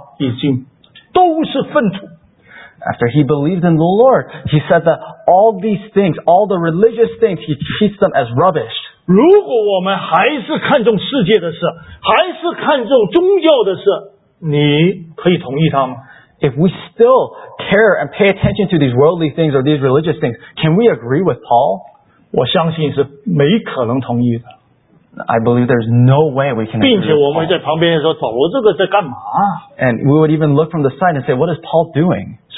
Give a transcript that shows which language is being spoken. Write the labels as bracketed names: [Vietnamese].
[Chinese] 他信的时候,在遇见主之后,他说这一切,地上的事,宗教的事,对他已经都是粪土。 [English] After he believed in the Lord, he said that all these things, all the religious things, he treats them as rubbish. [Chinese] 如果我们还是看重世界的事,还是看重宗教的事,你可以同意他吗? [English] If we still care and pay attention to these worldly things or these religious things, can we agree with Paul? [Chinese] 我相信是没可能同意的。 [English] I believe there's no way we can agree. [Chinese] 并且我们在旁边说保罗这个在干嘛? [English] And we would even look from the side and say, what is Paul doing?